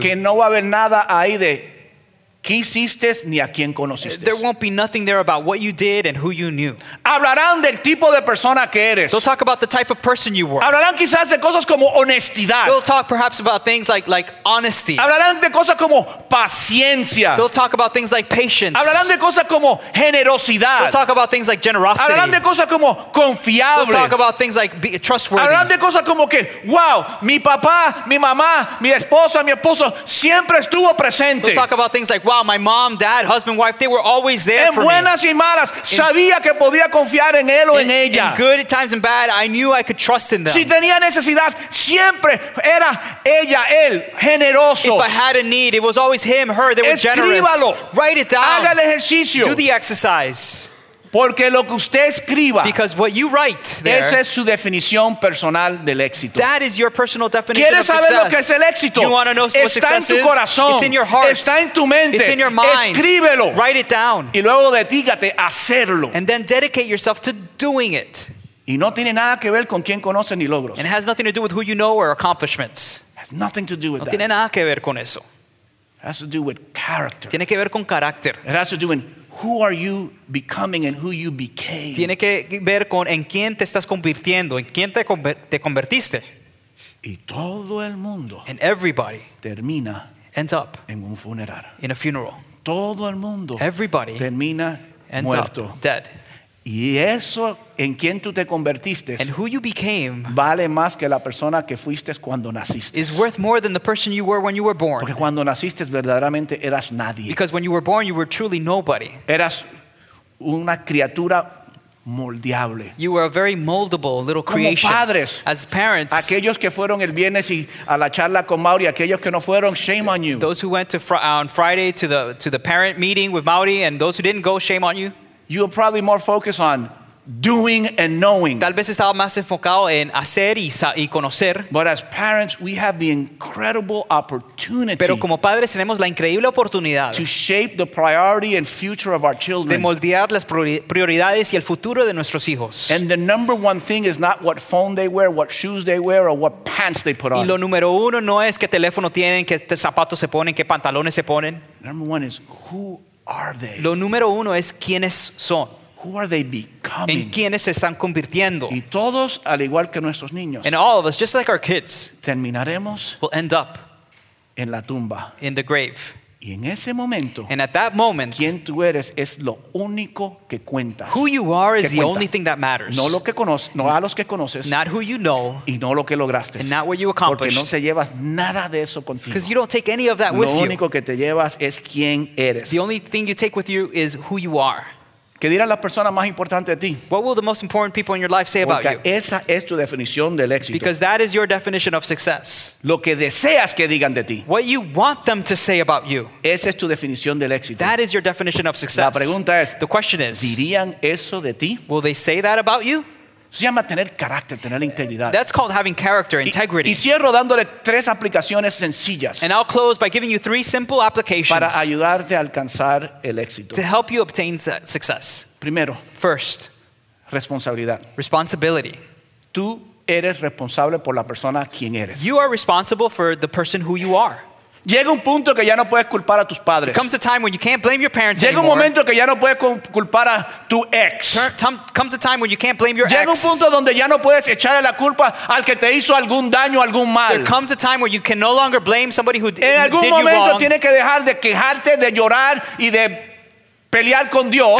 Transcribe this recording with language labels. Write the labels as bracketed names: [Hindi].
[Spanish] Que no va a haber nada ahí de ¿qué hiciste ni a quién conociste? [English] There won't be nothing there about what you did and who you knew. [Spanish] Hablarán del tipo de persona que eres. [English] They'll talk about the type of person you were. [Spanish] Hablarán quizás de cosas como honestidad. [English] They'll talk perhaps about things like honesty. [Spanish] Hablarán de cosas como paciencia. [English] They'll talk about things like patience. [Spanish] Hablarán de cosas como generosidad. [English] They'll talk about things like generosity. [Spanish] Hablarán de cosas como confiable. [English] They'll talk about things like trustworthy. [Spanish] Hablarán de cosas como que, wow, mi papá, mi mamá, mi esposa, mi esposo siempre estuvo presente. [English] They'll talk about things like, wow, my mom, dad, husband, wife, they were always there [Spanish] en [English] for [Spanish] buenas [English] me. [Spanish] Y malas, in, sabía que podía confiar en él o en ella. [English] In good times and bad, I knew I could trust in them. [Spanish] Si tenía necesidad, siempre era ella, él, generosos. [English] If I had a need, it was always him, her, they were [Spanish] Escríbalo. [English] Generous. Write it down. [Spanish] Haga el ejercicio. [English] Do the exercise. [Spanish] Porque lo que usted escriba, [English] because what you write there, [Spanish] esa es su definición personal del éxito. [English] That is your personal definition [Spanish] ¿Quieres [English] of [Spanish] saber [English] success? [Spanish] Lo que es el éxito? [English] You want to know [Spanish] Está [English] what success [Spanish] en tu corazón. [English] Is? It's in your heart. [Spanish] Está en tu mente. [English] It's in your mind. [Spanish] Escríbelo. [English] Write it down. [Spanish] Y luego dedícate a hacerlo. [English] And then dedicate yourself to doing it. [Spanish] Y no tiene nada que ver con quién conoce ni logros. [English] And it has nothing to do with who you know or accomplishments. It has nothing to do with [Spanish] no [English] that. [Spanish] No tiene nada que ver con eso. [English] It has to do with character. [Spanish] Tiene que ver con carácter. [English] It has to do with who are you becoming and who you became? [Spanish] Tiene que ver con en quién te estás convirtiendo, en quién te convertiste. Y todo el mundo [English] and everybody [Spanish] termina [English] ends up [Spanish] en un funeral. [English] In a funeral. [Spanish] Todo el mundo [English] everybody [Spanish] termina [English] ends [Spanish] muerto. [English] Up dead. [Spanish] Y eso en quién tú te convertiste [English] and who you became [Spanish] vale más que la persona que fuiste cuando naciste. [English] Is worth more than the person you were when you were born. [Spanish] Porque cuando naciste verdaderamente eras nadie. [English] Because when you were born you were truly nobody. [Spanish] Eras una criatura moldeable. [English] You were a very moldable little creation. [Spanish] Como padres, [English] as parents, [Spanish] aquellos que fueron el viernes y a la charla con Mauri, aquellos que no fueron, [English] shame on you. Those who went to on Friday to the parent meeting with Mauri and those who didn't go, shame on you. You are probably more focused on doing and knowing. [Spanish] Tal vez estaba más enfocado en hacer y conocer. [English] But as parents, we have the incredible opportunity. [Spanish] Pero como padres tenemos la increíble oportunidad. [English] To shape the priority and future of our children. [Spanish] De moldear las prioridades y el futuro de nuestros hijos. [English] And the number one thing is not what phone they wear, what shoes they wear, or what pants they put on. [Spanish] Y lo número uno no es qué teléfono tienen, qué zapatos se ponen, qué pantalones se ponen. [English] Number one is who. Are they? [Spanish] Lo número uno es quiénes son. [English] Who are they becoming? [Spanish] En quiénes se están convirtiendo. Y todos, al igual que nuestros niños. [English] And all of us, just like our kids. [Spanish] Terminaremos. [English] Will end up. [Spanish] En la tumba. [English] In the grave. [Spanish] Y en ese momento. [English] And at that moment. [Spanish] Quién tú eres es lo único que cuenta. [English] Who you are is the only thing that matters. [Spanish] No lo que conoces, no a los que conoces. [English] Not who you know. [Spanish] Y no lo que lograste. [English] And not what you accomplished. [Spanish] Porque no te llevas nada de eso contigo. [English] Because you don't take any of that with you. [Spanish] Lo único que te llevas es quién eres. [English] The only thing you take with you is who you are. [Spanish] ¿Qué dirán las personas más importantes de ti? [English] What will the most important people in your life say [Spanish] Porque [English] about you? [Spanish] Porque esa es tu definición del éxito. [English] Because that is your definition of success. [Spanish] Lo que deseas que digan de ti. [English] What you want them to say about you. [Spanish] Esa es tu definición del éxito. [English] That is your definition of success. [Spanish] La pregunta es, [English] the question is, [Spanish] ¿dirían eso de ti? [English] Will they say that about you? [Spanish] Se llama tener carácter, tener integridad. [English] That's called having character, integrity. [Spanish] Y cierro dándole tres aplicaciones sencillas. [English] And I'll close by giving you three simple applications. [Spanish] Para ayudarte a alcanzar el éxito. [English] To help you obtain success. [Spanish] Primero. [English] First. [Spanish] Responsabilidad. [English] Responsibility. [Spanish] Tú eres responsable por la persona quien eres. [English] You are responsible for the person who you are. [Spanish] Llega un punto que ya no puedes culpar a tus padres. [English] It comes a time when you can't blame your parents [Spanish] Llega [English] anymore. [Spanish] Un momento que ya no puedes culpar a tu ex. [English] Comes a time when you can't blame your [Spanish] Llega [English] ex. [Spanish] Llega un punto donde ya no puedes echarle la culpa al que te hizo algún daño, algún mal. [English] There comes a time where you can no longer blame somebody who did you wrong. [Spanish] En algún momento tienes que dejar de quejarte, de llorar y de pelear con Dios.